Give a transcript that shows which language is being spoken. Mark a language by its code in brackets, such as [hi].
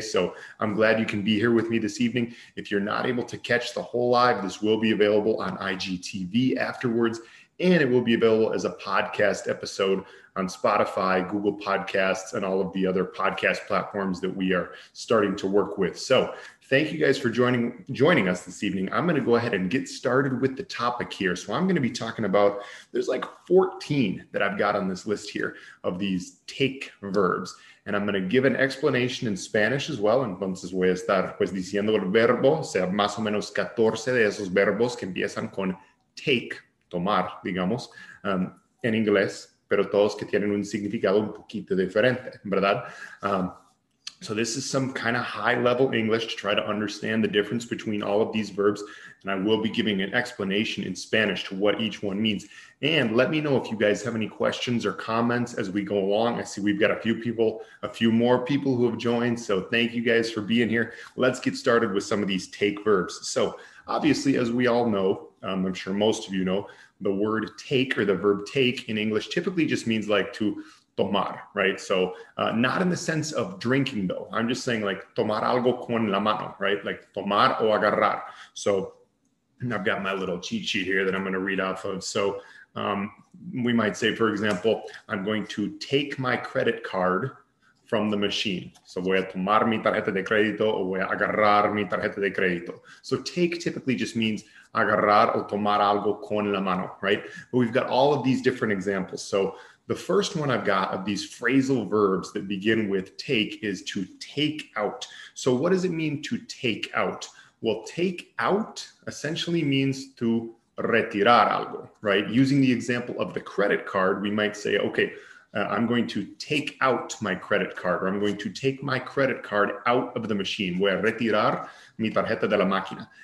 [en] So I'm glad you can be here with me this evening. If you're not able to catch the whole live, this will be available on IGTV afterwards, and it will be available as a podcast episode on Spotify, Google Podcasts, and all of the other podcast platforms that we are starting to work with. So thank you guys for joining us this evening. I'm going to go ahead and get started with the topic here. So I'm going to be talking about, there's like 14 that I've got on this list here of these take verbs. And I'm going to give an explanation in Spanish as well. [es] Entonces voy a estar pues diciendo el verbo. O sea, más o menos 14 de esos verbos que empiezan con take, tomar, digamos, en inglés, pero todos que tienen un significado un poquito diferente, ¿verdad? [en] So this is some kind of high-level English to try to understand the difference between all of these verbs, and I will be giving an explanation in Spanish to what each one means. And let me know if you guys have any questions or comments as we go along. I see we've got a few more people who have joined, so thank you guys for being here. Let's get started with some of these take verbs. So obviously, as we all know, I'm sure most of you know, the word take or the verb take in English typically just means like to tomar, right? So not in the sense of drinking, though. I'm just saying like [es] tomar algo con la mano, [en] right? Like [es] tomar o agarrar. [en] So I've got my little cheat sheet here that I'm going to read off of. So we might say, for example, I'm going to take my credit card from the machine. [es] So voy a tomar mi tarjeta de crédito o voy a agarrar mi tarjeta de crédito. [en] So take typically just means [es] agarrar o tomar algo con la mano, [en] right? But we've got all of these different examples. So the first one I've got of these phrasal verbs that begin with take is to take out. So what does it mean to take out? Well, take out essentially means to [es] retirar algo, [en] right? Using the example of the credit card, we might say, okay, I'm going to take out my credit card, or I'm going to take my credit card out of the machine. [es] Voy a retirar mi tarjeta de la máquina.